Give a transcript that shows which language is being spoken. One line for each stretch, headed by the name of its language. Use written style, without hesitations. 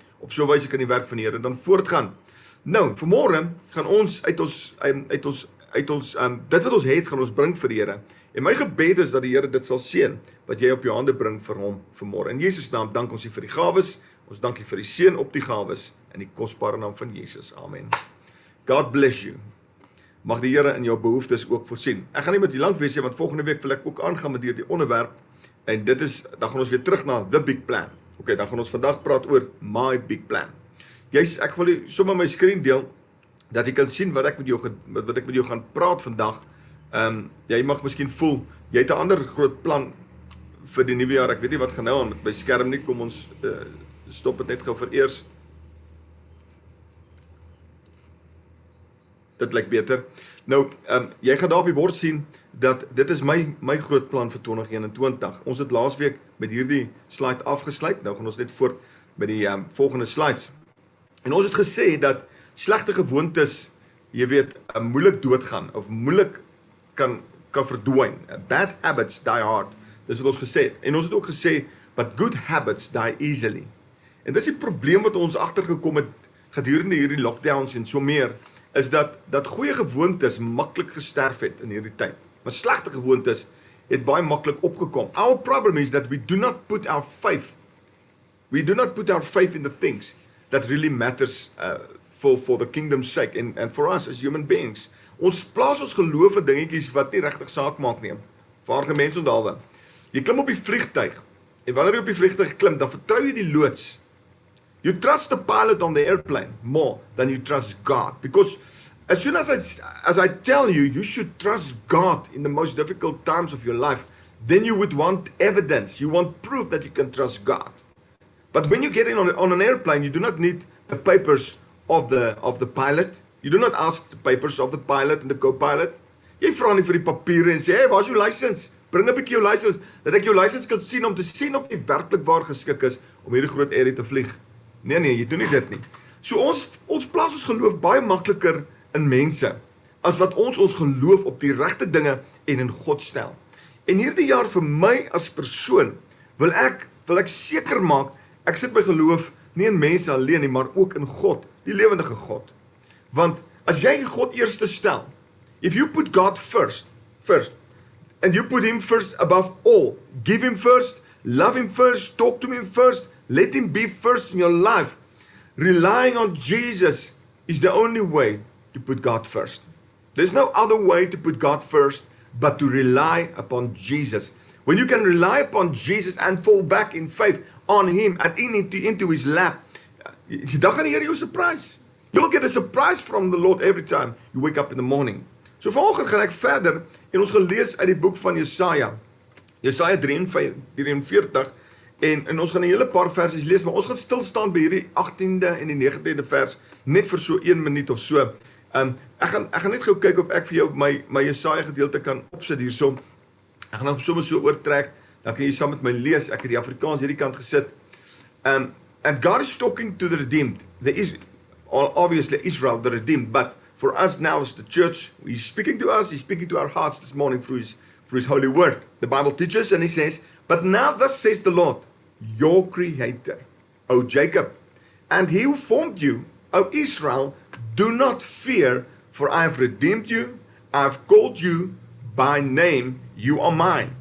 Afrikaans: Op so 'n wyse kan die werk van die Here dan voortgaan. Nou, vanmôre gaan ons uit ons dit wat ons het gaan ons bring vir die Here. En my gebed is dat die Here dit sal seën wat jy op jou hande bring vir hom vanmôre. In Jesus naam dank ons U vir die gawes. Ons dank U vir die seën op die gawes in die kosbare naam van Jesus. Amen. God bless you. Mag die Here in jou behoeftes ook voorsien. Ek gaan nie met jou lank wees nie want volgende week wil ek ook aangaan met hierdie onderwerp en dit is dan gaan ons weer terug na
English: the big plan.
Afrikaans: Oké, okay, dan gaan ons vandag praat oor my
English: big plan.
Afrikaans: Jy's ek wil sommer my skerm deel dat jy kan sien wat ek met jou gaan praat vandag. Jy mag miskien voel jy het 'n ander groot plan vir die nuwe jaar. Ek weet nie wat gaan nou aan met my skerm nie. Kom ons stop dit net gou vir eers. Dit lyk beter. Nou, jy gaan daar op die bord sien dat dit is my groot plan vir 2021. Ons het laas week met hierdie slide afgesluit. Nou gaan ons net voort met die volgende slides. En ons het gesê dat slegte gewoontes, jy weet, moeilik doodgaan of moeilik kan verdwyn.
English: Bad habits die hard,
Afrikaans: Dis wat ons gesê het. En ons het ook gesê,
English: but good habits die easily.
Afrikaans: En dis die probleem wat ons agtergekom het gedurende hierdie lockdowns en so meer, is dat goeie gewoontes maklik gesterf het in hierdie tyd. Maar slegte gewoontes het baie maklik opgekom.
English: Our problem is that we do not put our faith in the things that really matters for the kingdom's sake and for us as human beings.
Afrikaans: Ons plaas ons geloof in dingetjies wat nie regtig saak maak nie. Vaardige mense onthou dan. Jy klim op die vliegtuig en wanneer jy op die vliegtuig klim, dan vertrou jy die loods.
English: You trust the pilot on the airplane more than you trust God. Because as soon as I tell you, you should trust God in the most difficult times of your life, then you would want evidence. You want proof that you can trust God. But when you get in on an airplane, you do not need the papers of the pilot. You do not ask the papers of the pilot and the co-pilot.
Afrikaans: Jy vra nie vir die papiere en sê, hey, waar is jou license? Bring 'n bietjie jou license, dat ek jou license kan sien om te sien of jy werklik waar geskik is om hierdie groot area te vlieg. Nee, jy doen nie dit nie. So ons plaas ons geloof baie makliker in mense as wat ons geloof op die regte dinge en in God stel. En hierdie jaar vir my as persoon wil ek seker maak ek sit my geloof nie in mense alleen nie, maar ook in God, die lewendige God. Want as jy God eerste stel,
English: if you put God first and you put him first above all, give him first, love him first, talk to him first, let him be first in your life. Relying on Jesus is the only way to put God first. There's no other way to put God first but to rely upon Jesus. When you can rely upon Jesus and fall back in faith on him and into his lap,
Afrikaans: jy dag gaan die Here jou surprise.
English: You will get a surprise from the Lord every time you wake up in the morning.
Afrikaans: So vanoggend gaan ek verder en ons gelees uit die boek van Jesaja. Jesaja 43. En ons gaan 'n hele paar versies lees, maar ons gaan stil staan by hierdie 18de en die 19de vers net vir so 1 minuut of so. Ek gaan net gou kyk of ek vir jou my Jesaja gedeelte kan opsit hierso. Ek gaan hom sommer so oortrek, dan kan jy saam met my lees. Ek het die Afrikaans hierdie kant gesit.
English: And God is talking to the redeemed. There is obviously Israel the redeemed, but for us now as the church, he's speaking to us, he's speaking to our hearts this morning through his holy word. The Bible teaches and he says, but now thus says the Lord, your creator, O Jacob, and he who formed you, O Israel, do not fear, for I have redeemed you, I have called you by name, you are mine.